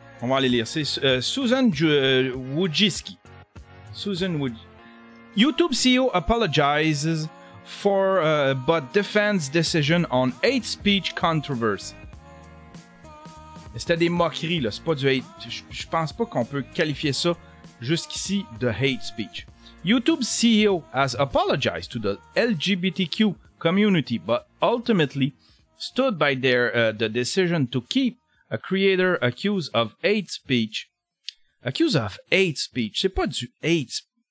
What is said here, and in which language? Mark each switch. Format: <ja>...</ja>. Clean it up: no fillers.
<fr>On va aller lire. C'est Susan Wojcicki. Susan Wojcicki.</fr> <en>YouTube CEO apologizes for but defends decision on hate speech controversy.</en> <fr>C'était des moqueries, là. C'est pas du hate. Je pense pas qu'on peut qualifier ça jusqu'ici de hate speech.</fr> <en>YouTube CEO has apologized to the LGBTQ community, but ultimately stood by their the decision to keep a creator accused of hate speech. Accused of hate speech,</en> <fr>c'est pas du hate.</fr>